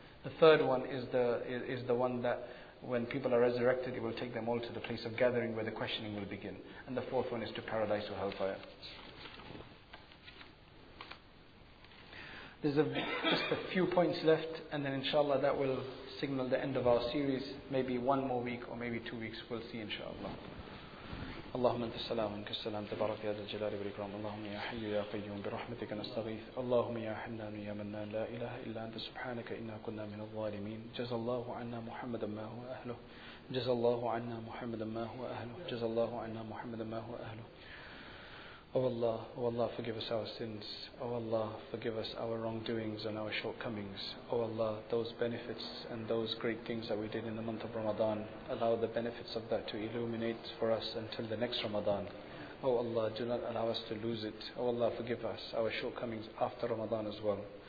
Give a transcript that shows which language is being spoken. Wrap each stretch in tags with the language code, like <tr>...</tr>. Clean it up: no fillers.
<en>The third one is the one that when people are resurrected, it will take them all to the place of gathering where the questioning will begin. And the fourth one is to paradise or hellfire. There's just a few points left, and then inshallah that will signal the end of our series. Maybe one more week or maybe 2 weeks. We'll see inshallah.</en> <ar>اللهم انت السلام منك السلام تبارك يا ذا الجلال والاكرام اللهم يا حي يا قيوم برحمتك نستغيث اللهم يا حنان يا منان لا اله الا انت سبحانك انا كنا من الظالمين جزى الله عنا محمدا ما هو اهله جزى الله عنا محمدا ما هو اهله جزى الله عنا محمدا ما هو اهله</ar> <en>Oh Allah, forgive us our sins. Oh Allah, forgive us our wrongdoings and our shortcomings. Oh Allah, those benefits and those great things that we did in the month of Ramadan, allow the benefits of that to illuminate for us until the next Ramadan. Oh Allah, do not allow us to lose it. Oh Allah, forgive us our shortcomings after Ramadan as well.</en>